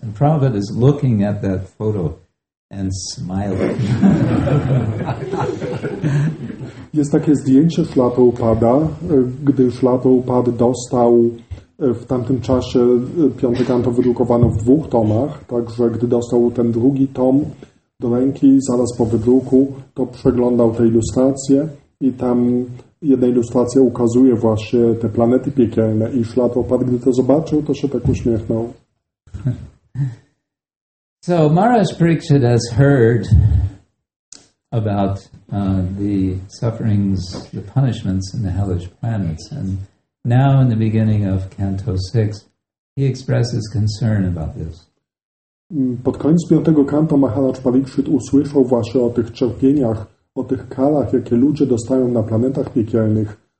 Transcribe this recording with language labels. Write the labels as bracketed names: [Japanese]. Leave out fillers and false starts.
[English] And Prabhupada is looking at that photo and smiling. [Polish] Jest takie zdjęcie Szlata Upada, gdy Szlata Upad dostał w tamtym czasie piąty kanto wydrukowano w dwóch tomach, także gdy dostał ten drugi tom do ręki, zaraz po wydruku, to przeglądał te ilustracje i tam jedna ilustracja ukazuje właśnie te planety piekielne i Szlata Upad, gdy to zobaczył, to się tak uśmiechnął. [English] So Maharaj Parikshit has heard about the sufferings, the punishments in the hellish planets. And now in the beginning of Canto 6, he expresses concern about this. [Polish] Pod koniec piątego kanto Maharaj Parikshit usłyszał właśnie o tych cierpieniach, o tych karach, jakie ludzie dostają na planetach piekielnych.